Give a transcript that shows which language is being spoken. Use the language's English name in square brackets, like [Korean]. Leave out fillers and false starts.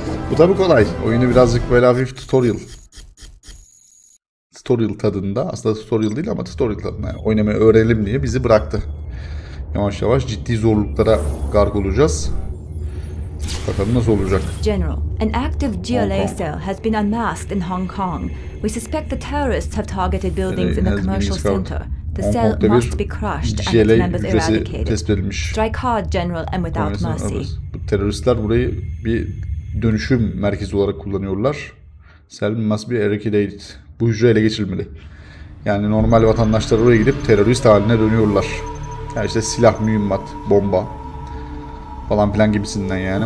[Turkish] Bu tabi kolay. Oyunu birazcık böyle hafif tutorial. Tutorial tadında. Aslında tutorial değil ama tutorial tadında. Yani oynamayı öğrenelim diye bizi bıraktı. Yavaş yavaş ciddi zorluklara gark olacağız. Bakalım nasıl olacak. [English] General, an active GLA cell has been unmasked in Hong Kong. We suspect the terrorists have targeted buildings in the commercial center. The cell must be crushed and its members eradicated. Strike hard, General, and without mercy. [Turkish] Bu teröristler burayı bir dönüşüm merkezi olarak kullanıyorlar. [English] Cell must be eradicated. [Turkish] Bu hücre ele geçirilmeli. Yani normal vatandaşlar oraya gidip terörist haline dönüyorlar. Yani işte silah, mühimmat, bomba falan filan gibisinden yani.